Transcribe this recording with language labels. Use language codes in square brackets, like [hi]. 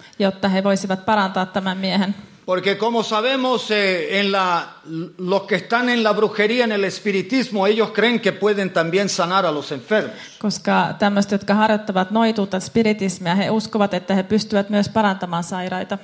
[fi] Jotta he voisivat parantaa tämän miehen. [es] Porque como sabemos en la los que están en la brujería en el espiritismo ellos creen que pueden también sanar a los enfermos. [fi] Koska tämmöiset, jotka harjoittavat noituutta spiritismia, he uskovat, että he pystyvät myös parantamaan sairaita.